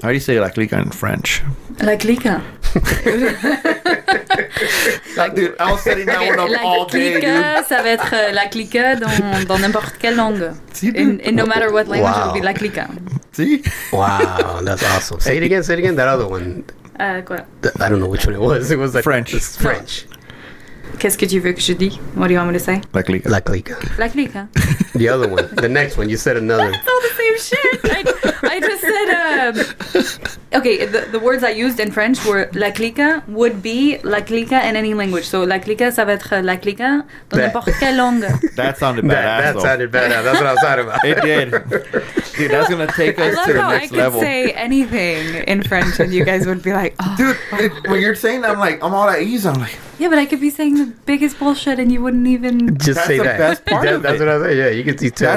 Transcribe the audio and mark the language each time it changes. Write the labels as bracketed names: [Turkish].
[English] How do you say la clica in French? [French] La clica. [English] Like, dude, I was setting that one up [French] la [English] all [French] clica, [English] day, dude. [French] Ça va être la clica dans n'importe quelle langue. [English] In no matter what language, wow. It would be la clica. Wow, that's awesome. Say it again, that other one. I don't know which one it was. It was like French. It's French. [French] Qu'est-ce que tu veux que je dis? [English] What do you want me to say? [French] La clica. La clica. La clica. [English] The other one. The next one. You said another. It's all the same shit. I just said, okay, the words I used in French were la clica would be la clica in any language. [French] So la clica, ça va être la clica dans n'importe quelle langue. [English] That sounded badass. That sounded badass. That's what I was talking about. It did. Dude, that's going to take us to the next level. I could say anything in French and you guys would be like, oh. Dude, when you're saying that, I'm like, I'm all at ease. I'm like, yeah, but I could be saying the biggest bullshit and you wouldn't even... Just say that. That's the best part of it. That's what I was saying. Yeah, you could see tell